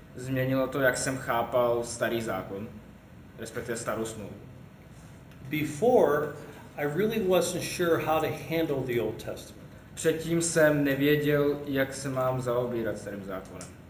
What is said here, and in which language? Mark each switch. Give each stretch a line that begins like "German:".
Czech: Změnilo to, jak jsem chápal starý zákon, respektive starou smlouvu.
English: Before, I really wasn't sure how to handle the Old Testament.
Czech: Předtím jsem nevěděl, jak se mám zaobírat starým zákonem.